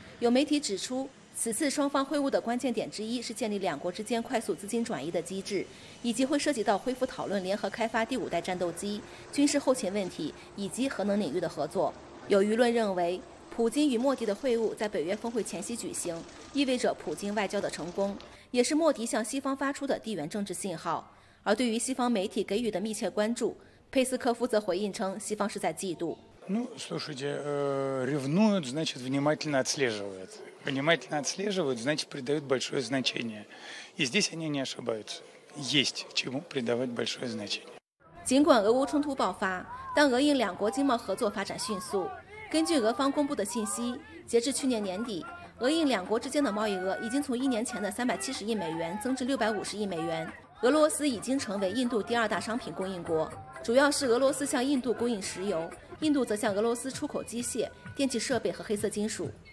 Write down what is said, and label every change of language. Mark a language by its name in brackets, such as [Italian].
[Chinese] 有媒体指出，此次双方会晤的关键点之一是建立两国之间快速资金转移的机制，以及会涉及到恢复讨论联合开发第五代战斗机、军事后勤问题以及核能领域的合作。有舆论认为，普京与莫迪的会晤在北约峰会前夕举行，意味着普京外交的成功，也是莫迪向西方发出的地缘政治信号。而对于西方媒体给予的密切关注，佩斯科夫则回应称，西方是在嫉妒。 [Russian] ревнуют, значит, внимательно отслеживают. Внимательно отслеживают, значит, придают большое значение. И здесь они не ошибаются. Есть чему придавать большое значение. [Chinese] 尽管俄乌冲突爆发，但俄印两国经贸合作发展迅速。根据俄方公布的信息，截至去年年底，俄印两国之间的贸易额已经从一年前的370亿美元增至650亿美元。俄罗斯已经成为印度第二大商品供应国，主要是俄罗斯向印度供应石油，印度则向俄罗斯出口机械、电气设备和黑色金属。